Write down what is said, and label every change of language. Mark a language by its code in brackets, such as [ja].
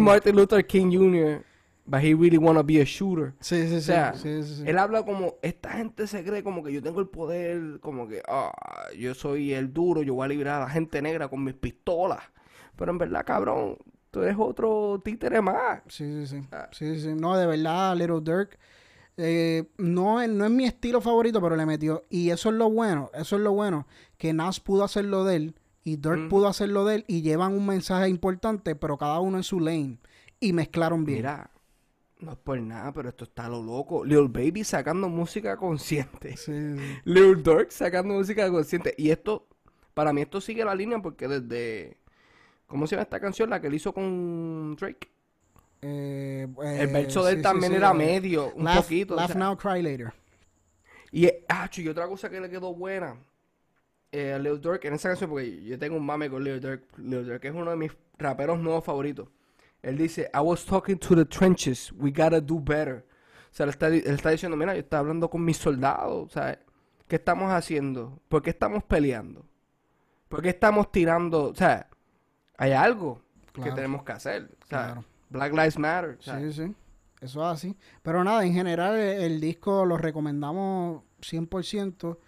[en] Martin Luther King Jr., but he really wanna be a shooter. [es] O Sí, sea, él habla como, esta gente se cree como que yo tengo el poder, como que, ah, oh, yo soy el duro, yo voy a liberar a la gente negra con mis pistolas. Pero en verdad, cabrón, tú eres otro títere más. No, de verdad, Little Dirk, no es mi estilo favorito, pero le metió. Y eso es lo bueno, eso es lo bueno, que Nas pudo hacer lo de él y Dirk pudo hacer lo de él y llevan un mensaje importante, pero cada uno en su lane y mezclaron bien. Mira, no es por nada, pero esto está lo loco. Lil Baby sacando música consciente. Sí. Lil Durk sacando música consciente. Y esto, Para mí esto sigue la línea porque desde... ¿Cómo se llama esta canción? La que él hizo con Drake. El verso de él Sí, sí, también sí. era medio, un poquito, o [en] Laugh [es] sea. [en] now, cry later. [es] Y otra cosa que le quedó buena a Lil Durk en esa canción, porque yo tengo un mame con Lil Durk que es uno de mis raperos nuevos favoritos. Él dice, [en] I was talking to the trenches, we gotta do better. [es] O sea, él está diciendo, mira, yo estaba hablando con mis soldados, o sea, ¿qué estamos haciendo? ¿Por qué estamos peleando? ¿Por qué estamos tirando? O sea, hay algo que Claro, tenemos que hacer, o sea, claro. Black Lives Matter, o sea. Sí. Eso es así. Pero nada, en general el disco lo recomendamos 100%.